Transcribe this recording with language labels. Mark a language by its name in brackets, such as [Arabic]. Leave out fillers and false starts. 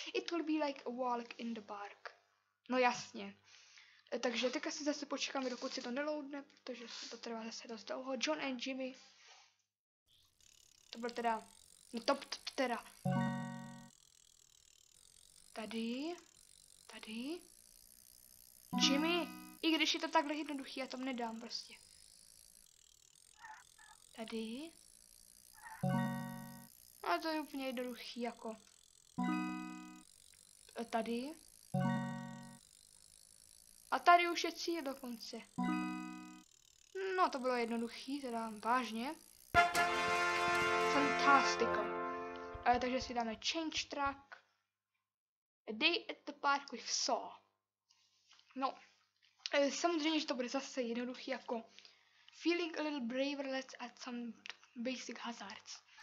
[English] It will be like a walk in the park. [Czech] No jasně. Takže teďka si zase počekáme, dokud si to neloadne, protože to trvá zase dost dlouho. John and Jimmy. To byl teda... No top teda. Tady. Jimmy, i když je to takhle jednoduchý, já to nedám prostě. Tady. A to je úplně jednoduchý, jako. Tady. A tady už je cíl dokonce. No, to bylo jednoduchý, teda vážně. Fantastika. Takže si dáme change track. [English] A day at the park with Saw. [Czech] No. Samozřejmě, že to bude zase jednoduchý, jako... [English] Feeling a little braver, let's add some basic hazards.